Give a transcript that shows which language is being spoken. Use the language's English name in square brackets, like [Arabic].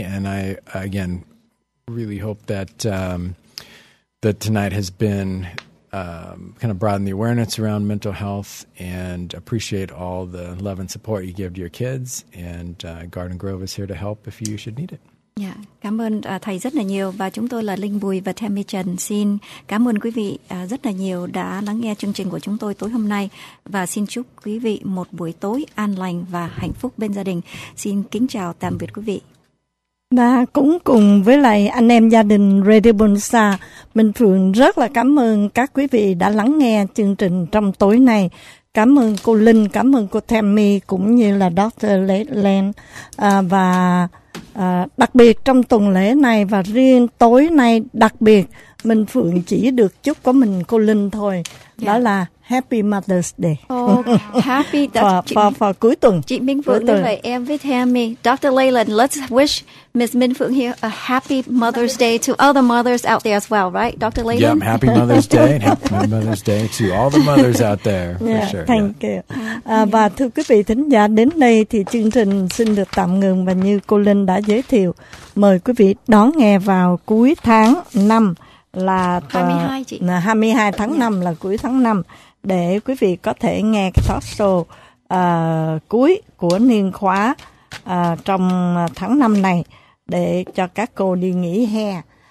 [English] And I, again, really hope that that tonight has been kind of broaden the awareness around mental health, and appreciate all the love and support you give to your kids. And Garden Grove is here to help if you should need it. [Vietnamese] Yeah, cảm ơn thầy rất là nhiều, và chúng tôi là Linh Bùi và Tammy Trần xin cảm ơn quý vị rất là nhiều đã lắng nghe chương trình của chúng tôi tối hôm nay, và xin chúc quý vị một buổi tối an lành và hạnh phúc bên gia đình. Xin kính chào tạm biệt quý vị. Và cũng cùng với lại anh em gia đình Radio Bonsa, Minh Phượng rất là cảm ơn các quý vị đã lắng nghe chương trình trong tối nay. Cảm ơn cô Linh, cảm ơn cô Tammy cũng như là Dr. Leyland. Và đặc biệt trong tuần lễ này và riêng tối nay đặc biệt Minh Phượng chỉ được chúc có mình cô Linh thôi. [English] Yeah. [Vietnamese] Đó là [English] Happy Mother's Day. Oh, happy. [Vietnamese] Vào cuối tuần. Chị Minh Phượng như vậy, em với Tammy. [English] Dr. Leyland, let's wish Ms. Minh Phượng here a Happy Mother's Day to all the mothers out there as well, right, Dr. Leyland? Yeah, Happy Mother's Day and Happy Mother's Day to all the mothers out there, for yeah, sure. Thank yeah. you. [Vietnamese] Và thưa quý vị thính giả, đến đây thì chương trình xin được tạm ngừng. Và như cô Linh đã giới thiệu, mời quý vị đón nghe vào cuối tháng 5 là 22 tháng yeah. 5 là cuối tháng 5. Để quý vị có thể nghe cái talk show cuối của niên khóa trong tháng 5 này để cho các cô đi nghỉ hè.